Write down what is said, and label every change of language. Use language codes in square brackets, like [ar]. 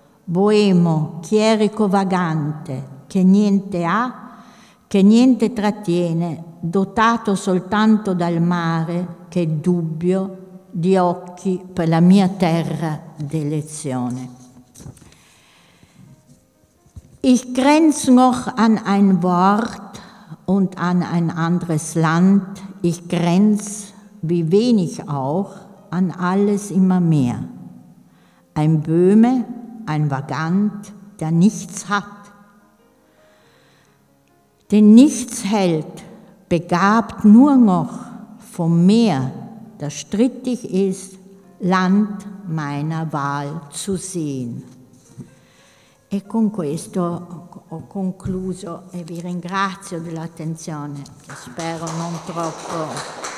[it] Boemo, chierico vagante, che niente ha, che niente trattiene, dotato soltanto dal mare, che dubbio, di occhi per la mia terra d'elezione. [de] Ich grenz noch an ein Wort und an ein anderes Land, ich grenz, wie wenig auch, an alles immer mehr. Ein Böhme, ein Vagant, der nichts hat, den nichts hält, begabt nur noch vom Meer, das strittig ist, Land meiner Wahl zu sehen. [it] E con questo ho concluso e vi ringrazio dell'attenzione, che spero non troppo.